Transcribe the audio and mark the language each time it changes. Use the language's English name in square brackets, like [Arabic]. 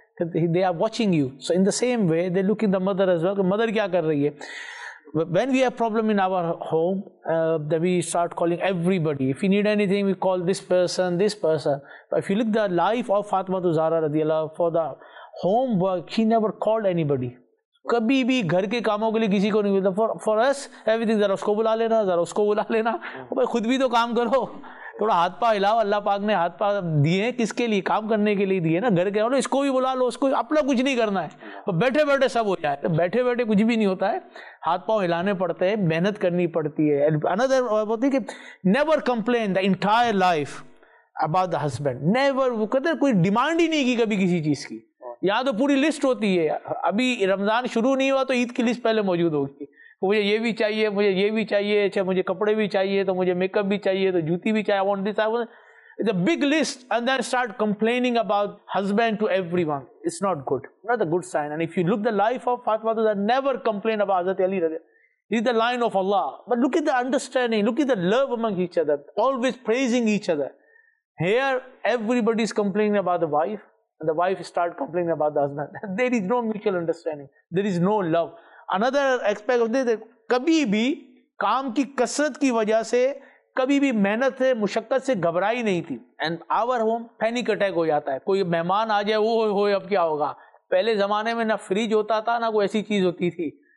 [English] They are watching you. So in the same way, they look in the mother as well. Mother, [Hindi] kya kar rahi hai? [English] When we have problem in our home, then we start calling everybody. If you need anything, we call this person, this person. But if you look at the life of Fatima Zahra radiallahu anha, for the homework, she never called anybody. [Hindi] कभी भी घर के कामों के लिए किसी को नहीं बोलता. [English] For us, everything, [Hindi] जरा उसको बुला लेना, जरा उसको बुला लेना. भाई खुद भी तो काम करो, थोड़ा हाथ पाँव हिलाओ. अल्लाह पाक ने हाथ पाँव दिए किसके लिए? काम करने के लिए दिए ना. घर के बोलो, इसको भी बुला लो, उसको अपना कुछ नहीं करना है. बैठे बैठे सब हो जाए, बैठे बैठे कुछ भी नहीं होता है. हाथ पाँव हिलाने पड़ते हैं, मेहनत करनी पड़ती है. [English] another [Hindi] होती है कि [English] Never complain the entire life about the husband. [Hindi] Never, वो कहते हैं कोई डिमांड ही नहीं की कभी किसी चीज़ की. यहाँ तो पूरी लिस्ट होती है. अभी रमज़ान शुरू नहीं हुआ तो ईद की लिस्ट पहले मौजूद होगी. मुझे ये भी चाहिए, मुझे ये भी चाहिए, अच्छा मुझे कपड़े भी चाहिए, तो मुझे मेकअप भी चाहिए, तो जूती भी चाहिए. [English] Want this, it's a big list. And then start complaining about husband to everyone. It's not good, not a good sign. And if you look the life of Fatima, never complain about हज़रत Ali रज़ी. This is the line of Allah. But look at the understanding, look at the love among each other, always praising each other. Here everybody is complaining about the wife, and the wife start complaining about the husband. There is no mutual understanding. There is no love. Another aspect of this, [Hindi] कभी भी काम की कसरत की वजह से कभी भी मेहनत से मुशक्कत से घबराई नहीं थी. [English] And our home, panic attack [Hindi] हो जाता है. कोई मेहमान आ जाए, वो अब क्या होगा? पहले जमाने में ना फ्रिज होता था, ना कोई ऐसी चीज़ होती थी.